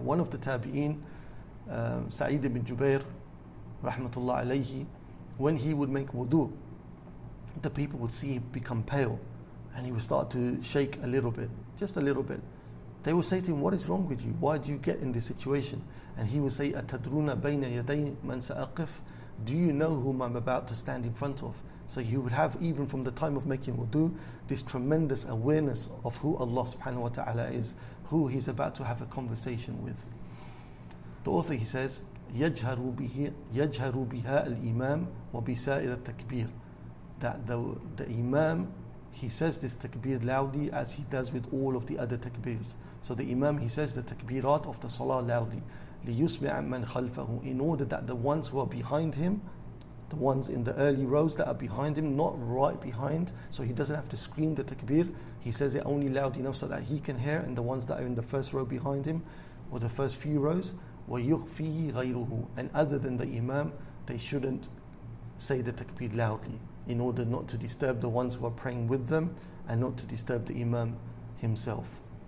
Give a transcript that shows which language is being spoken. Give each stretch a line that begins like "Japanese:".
English: One of the tabi'een, Sa'id ibn Jubair rahmatullah alayhi, when he would make wudu, the people would see him become pale, and he would start to shake a little bit, just a little bit. They would say to him, what is wrong with you? Why do you get in this situation? And he would say,
Arabic: أَتَدْرُونَ بَيْنَ يَدَيْ مَنْ سَأَقِفْ.
English: Do you know whom I'm about to stand in front of? So he would have, even from the time of making wudu, this tremendous awareness of who Allah subhanahu wa ta'ala is, who he's about to have a conversation with. The author, he says,
Arabic: يجهر بها الإمام وبسائر التكبير.
English: The Imam, he says this takbir loudly as he does with all of the other takbirs. So the Imam, he says the takbirat of the salah loudly.
Arabic: لِيُسْمِعَ مَنْ خَلْفَهُ,
English: in order that the ones who are behind him, the ones in the early rows that are behind him, not right behind, so he doesn't have to scream the takbir, he says it only loud enough so that he can hear, and the ones that are in the first row behind him, or the first few rows,
Arabic: وَيُخْفِيهِ غَيْرُهُ,
English: and other than the Imam, they shouldn't say the takbir loudly, in order not to disturb the ones who are praying with them, and not to disturb the Imam himself.